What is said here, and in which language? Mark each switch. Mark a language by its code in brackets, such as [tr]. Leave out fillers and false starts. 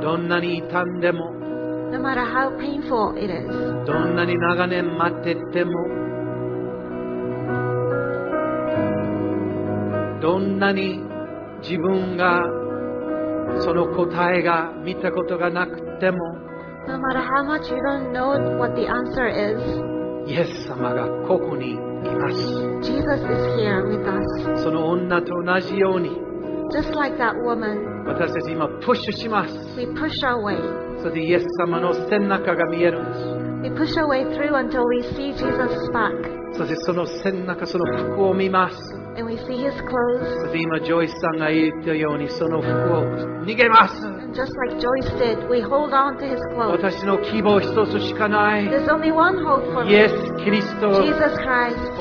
[ja] どんなに痛んでも、 [en] No matter how painful it is. [ja] どんなに長年待ってても、どんなに自分がその答えが見たことがなくても、 [en] No matter how much you don't know what the answer is, [ja] イエス様がここにいます。 [en] Jesus is here with us. [ja] その女と同じように、 [en] Just like that woman, [ja] 私たち今プッシュします。 [en] We push our way. [ja] それでイエス様の背中が見えるんです。 [en] We push our way through until we see Jesus' back. [ja] そしてその背中、その服を見ます。 [en] And we see his clothes. [ja] そして今、ジョイスさんが言ったように、その服を脱げます。 [en] Just like Joyce did, we hold on to his clothes. [ja] 私の希望一つしかない。 [en] There's only one hope for me. Yes, Christ. Jesus Christ.